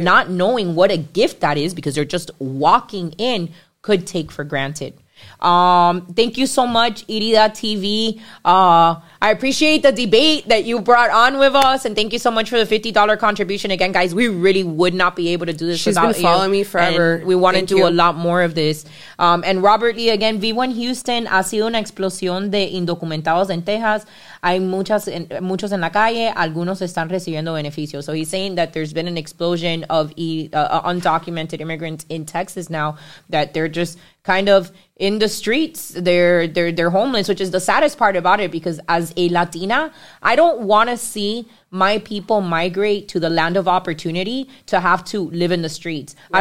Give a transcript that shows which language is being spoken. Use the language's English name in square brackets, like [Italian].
[English] Not knowing what a gift that is because they're just walking in, could take for granted. Thank you so much, Irida TV. I appreciate the debate that you brought on with us, and thank you so much for the $50 contribution again, guys. We really would not be able to do this She's without been following you me forever. And we want to do you. A lot more of this. And Robert Lee again, [Spanish] vivo en Houston, ha sido una explosión de indocumentados en Texas. Hay muchos en la calle, algunos están recibiendo beneficios. [English] So he's saying that there's been an explosion of undocumented immigrants in Texas now, that they're just kind of in the streets. They're homeless, which is the saddest part about it, because as a Latina, I don't want to see my people migrate to the land of opportunity to have to live in the streets. Right.